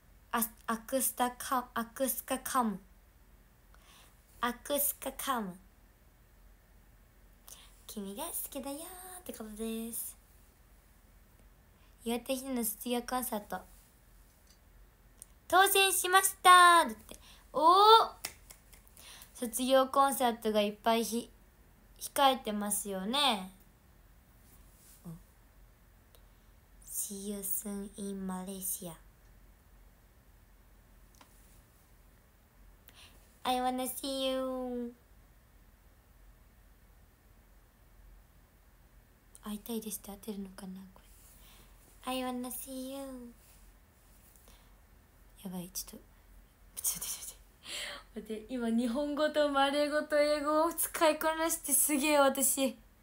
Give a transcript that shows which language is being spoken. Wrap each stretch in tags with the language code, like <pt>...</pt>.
<ja>アクスカカムアクスカカム、君が好きだよってことです。岩手日の卒業コンサート当選しましたって、おー卒業コンサートがいっぱい控えてますよね。</ja> <en>See you soon in MalaysiaI wanna see you.</en> <ja>会いたいですって当てるのかなこれ。</ja> <en>I wanna see you.</en> <ja>やばい、ちょっと待って。今日本語とマレー語と英語を使いこなしてすげえ私。</ja>